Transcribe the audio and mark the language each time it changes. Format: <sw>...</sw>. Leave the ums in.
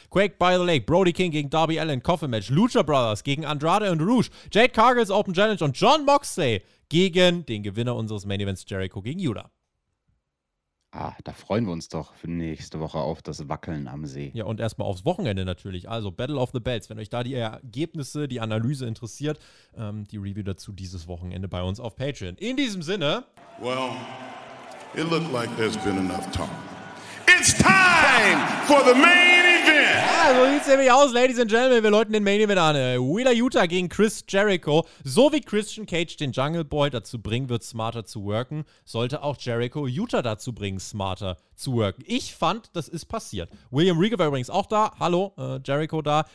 <de>Quake by the Lake, Brody King gegen Darby Allen, Coffin Match, Lucha Brothers gegen Andrade und Rouge, Jade Cargill's Open Challenge und John Moxley gegen den Gewinner unseres Main Events, Jericho gegen Judah. Ah, da freuen wir uns doch für nächste Woche auf das Wackeln am See. Ja, und erstmal aufs Wochenende natürlich. Also Battle of the Bells. Wenn euch da die Ergebnisse, die Analyse interessiert, ähm, die Review dazu dieses Wochenende bei uns auf Patreon. In diesem Sinne.</de> <en>Well, it looked like there's been enough talk. It's time for the main event.</en> <de>Ja, so sieht's nämlich aus, Ladies and Gentlemen. Wir läuten den Main Event an. Äh, Wheeler Utah gegen Chris Jericho. So wie Christian Cage den Jungle Boy dazu bringen wird, smarter zu worken, sollte auch Jericho Utah dazu bringen, smarter zu worken. Ich fand, das ist passiert. William Regal war übrigens auch da. Hallo, äh, Jericho da.</de>